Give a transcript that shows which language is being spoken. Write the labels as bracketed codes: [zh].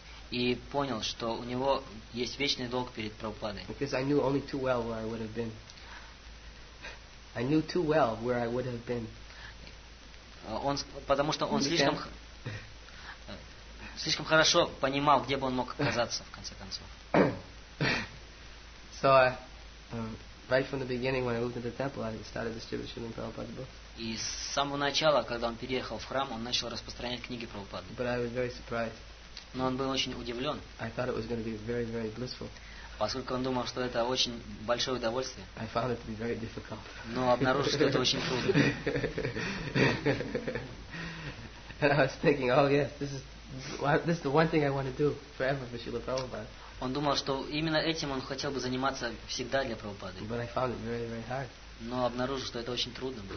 [ru] И понял, что у него есть вечный долг перед Прабхупадой. [en] Because I knew only too well where I would have been. I knew too well where I would have been. [ru] Он, потому что он слишком хорошо понимал, где бы он мог оказаться, в конце концов. [en] So right from the beginning, when I moved to the temple, I started distributing Prabhupada's books. [ru] И с самого начала, когда он переехал в храм, он начал распространять книги Прабхупады. [en] But I was very surprised. [ru] Но он был очень удивлен. [en] I thought it was going to be very, very blissful. [ru] Поскольку он думал, что это очень большое удовольствие. [en] I found it to be very difficult. [ru] Но обнаружил, что это очень трудно. [en] And I was thinking, oh yes, this is the one thing I want to do forever for Srila Prabhupada. [ru] Он думал, что именно этим он хотел бы заниматься всегда для Прабхупады. [en] But I found it very, very hard. [ru] Но обнаружил, что это очень трудно было.